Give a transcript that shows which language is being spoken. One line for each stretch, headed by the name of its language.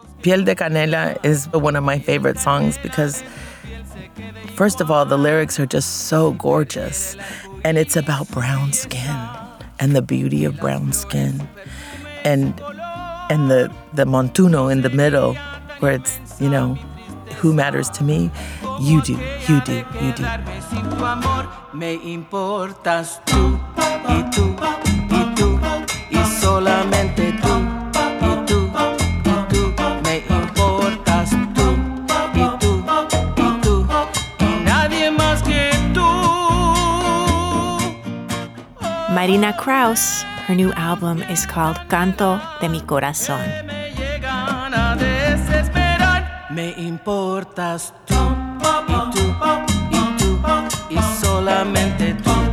English: Piel de Canela is one of my favorite songs because, first of all, the lyrics are just so gorgeous. And it's about brown skin and the beauty of brown skin. And the montuno in the middle where it's, you know, who matters to me? You do, you do, you do.
Spanish: Me importas tú y tú y tú y solamente tú.
English: Marina Crouse, her new album is called Canto de mi Corazón.
Spanish: Me importas tú y tú y tú y solamente tú.